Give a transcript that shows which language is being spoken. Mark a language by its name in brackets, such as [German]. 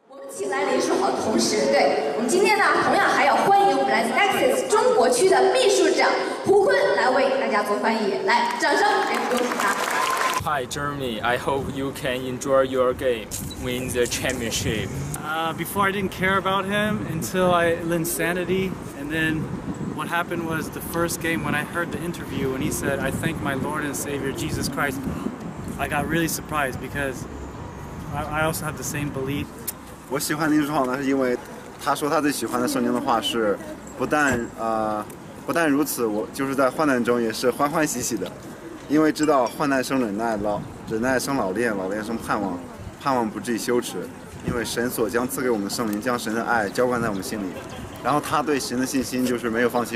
[Chinese] 请来林书豪同时，对我们今天呢，同样还要欢迎我们来自 Texas 中国区的秘书长胡坤来为大家做翻译，来，掌声给我们恭喜他。 [English] Hi Jeremy, I hope you can enjoy your game, win the championship. Before I didn't care about him until I lensed sanity, and then what happened was the first game when I heard the interview when he said, I thank my Lord and Savior Jesus Christ, I got really surprised because I also have the same belief. [Chinese] 我喜欢林书豪呢，是因为他说他最喜欢的圣经的话是，不但如此，我就是在患难中也是欢欢喜喜的。因为知道患难生忍耐，忍耐生老练，老练生盼望，盼望不至于羞耻。因为神所将赐给我们的圣灵，将神的爱浇灌在我们心里。然后他对神的信心就是没有放弃。